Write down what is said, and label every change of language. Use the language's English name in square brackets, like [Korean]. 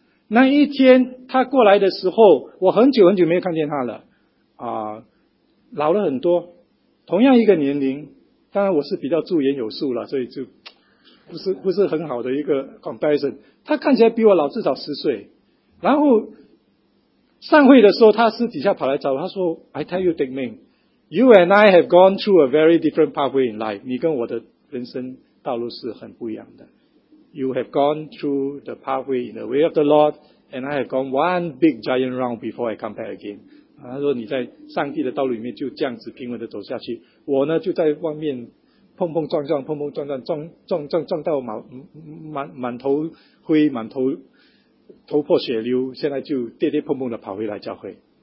[Chinese] 那一天他过来的时候，我很久很久没有看见他了老了很多，同样一个年龄，当然我是比较驻颜有术了，所以就不是很好的一个 comparison。他看起来比我老至少10岁。然后上会的时候，他私底下跑来找我，他说 [English] I tell you Dick Ming， You and I have gone through a very different pathway in life， [Chinese] 你跟我的人生道路是很不一样的。 [English] You have gone through the pathway in the way of the Lord， And I have gone one big giant round before I come back again。 [Chinese] 他说你在上帝的道路里面就这样子平稳的走下去，我呢就在外面碰碰撞撞碰碰撞撞撞撞撞撞到 满头灰，满头头破血流，现在就跌跌碰碰的跑回来教会。